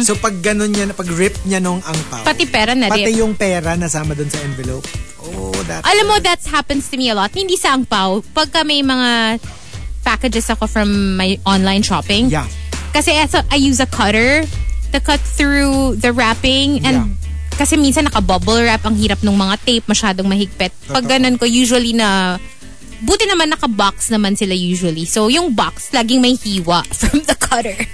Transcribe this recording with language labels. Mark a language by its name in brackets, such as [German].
[Filipino] So pag ganun niya, pag rip niya nung angpao. Pati pera na rip. Pati yung pera nasama dun sa envelope. [English] Oh, that's [Filipino] alam mo, [English] that happens to me a lot. [Filipino] Hindi sa angpao. Pagka may mga packages ako [English] from my online shopping. Yeah. [Filipino] Kasi [English] I use a cutter to cut through the wrapping and... Yeah. [Filipino] Kasi minsan naka-bubble wrap, ang hirap ng mga tape, masyadong mahigpit. Pag ganun ko, usually na, buti naman naka-box naman sila usually. So, yung box, laging may hiwa [English] from the cutter.